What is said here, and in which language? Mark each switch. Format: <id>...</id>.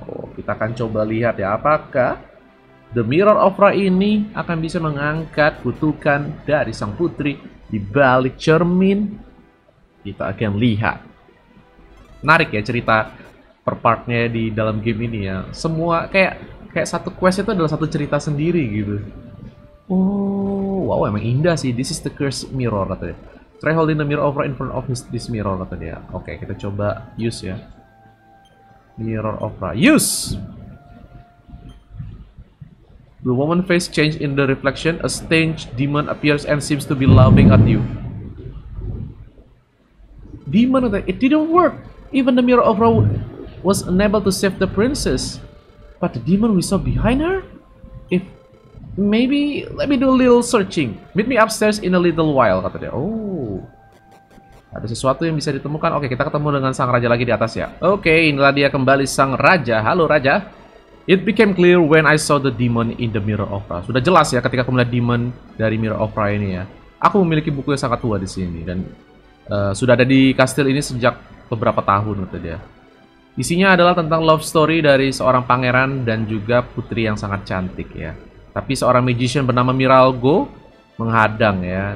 <id>Oh, kita akan coba lihat ya, apakah The Mirror of Ra ini akan bisa mengangkat kutukan dari sang putri di balik cermin. Kita akan lihat. Menarik ya cerita per partnya di dalam game ini ya. Semua kayak satu quest itu adalah satu cerita sendiri gitu. Oh, wow, emang indah sih.</id> <en>This is the cursed mirror,</en> <id>kata dia.</id> <en>Try holding the mirror of Ra in front of this mirror, kata dia.</en> <id>Oke, kita coba use ya.</id> <en>Mirror of Ra, use! The woman's face changed in the reflection. A strange demon appears and seems to be laughing at you. Demon, it didn't work. Even the mirror of Ra was unable to save the princess. But the demon we saw behind her? If maybe let me do a little searching. Meet me upstairs in a little while, kata dia.</en> <id>Oh, ada sesuatu yang bisa ditemukan. Oke, kita ketemu dengan sang raja lagi di atas ya. Oke, inilah dia kembali sang raja. Halo raja.</id> <en>It became clear when I saw the demon in the Mirror of Ra.</en> <id>Sudah jelas ya ketika aku melihat demon dari Mirror of Ra ini ya. Aku memiliki buku yang sangat tua di sini dan sudah ada di kastil ini sejak beberapa tahun, kata dia. Isinya adalah tentang love story dari seorang pangeran dan juga putri yang sangat cantik ya. Tapi seorang magician bernama Miralgo menghadang ya.</id>